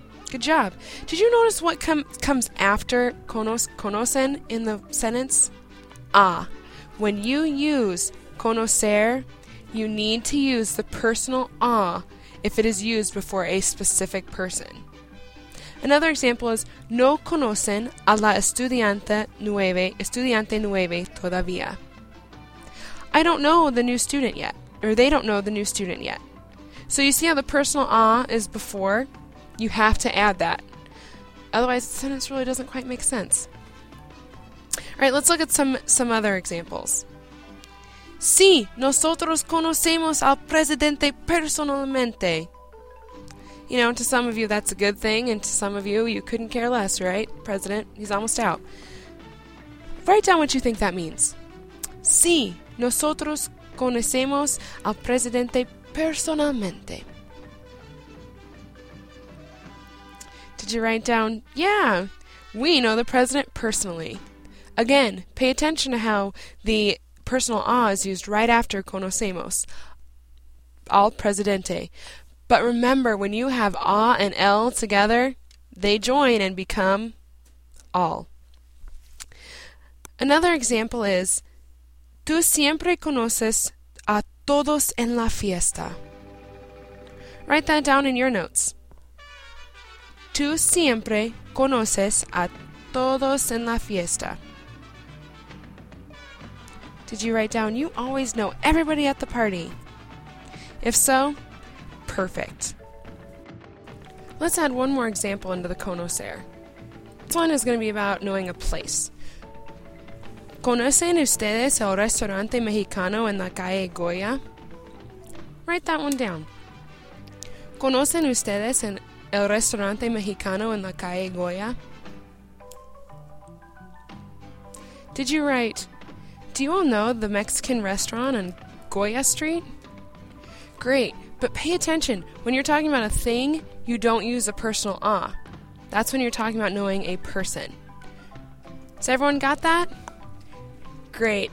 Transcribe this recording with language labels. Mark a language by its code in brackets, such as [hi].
[en] Good job. Did you notice what comes after conocen in the sentence? Ah, when you use conocer, you need to use the personal ah if it is used before a specific person. Another example is, [es] no conocen a la estudiante nueve todavía. [en] I don't know the new student yet, or they don't know the new student yet. So you see how the personal ah is before? You have to add that. Otherwise, the sentence really doesn't quite make sense. All right, let's look at some other examples. [es] Sí, nosotros conocemos al presidente personalmente. [en] You know, to some of you, that's a good thing, and to some of you, you couldn't care less, right? President, he's almost out. Write down what you think that means. [es] Sí, nosotros conocemos al presidente personalmente. [en] Did you write down, yeah, we know the president personally. Again, pay attention to how the personal ah is used right after conocemos, [es] al presidente. [en] But remember, when you have A and L together, they join and become all. Another example is, [es] tú siempre conoces a todos en la fiesta. [en] Write that down in your notes. [es] Tú siempre conoces a todos en la fiesta. [en] Did you write down, you always know everybody at the party? If so, perfect. Let's add one more example into the conocer. This one is going to be about knowing a place. [es] ¿Conocen ustedes el restaurante mexicano en la calle Goya? [en] Write that one down. [es] ¿Conocen ustedes el restaurante mexicano en la calle Goya? [en] Did you write, do you all know the Mexican restaurant on Goya Street? Great. But pay attention, when you're talking about a thing, you don't use a personal ah. That's when you're talking about knowing a person. So everyone got that? Great.